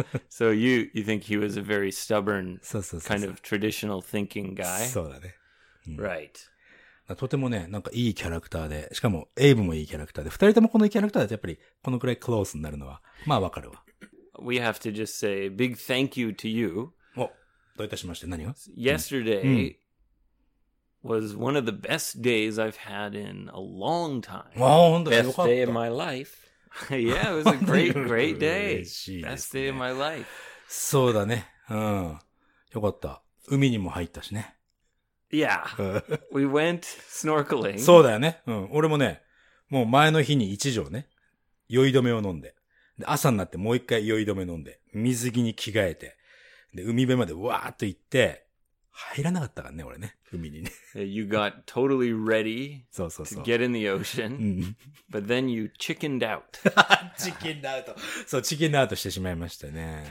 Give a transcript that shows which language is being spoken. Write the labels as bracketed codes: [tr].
[en] So, you think he was a very stubborn, kind of traditional thinking guy? [ja] そうだね。 [en] Right. [ja] とてもね、なんかいいキャラクターで、しかもエイブもいいキャラクターで、二人ともこのキャラクターだとやっぱりこのくらいクロースになるのは、まあわかるわ。 [en] We have to just say a big thank you to you. [ja] お、どういたしまして、何が [en] ?Yesterday was one of the best days I've had in a long time. [ja] わあ、ほんと [en] だ。Best day of my life. Yeah, it was a great, great day. [ja] 嬉しいですね。 [en] Best day of my life. [ja] そうだね。うん。よかった。海にも入ったしね。 [en] Yeah, we went snorkeling. [ja] そうだよね。うん。俺もね、もう前の日に一錠ね、酔い止めを飲んで、で、朝になってもう一回酔い止め飲んで、水着に着替えて、で、海辺までわーっと行って、入らなかったからね、俺ね、海にね。 [en] You got totally ready [ja] そうそうそう [en] to get in the ocean, but then you chickened out. [ja] チキンアウト。そう、チキンアウトしてしまいましたね。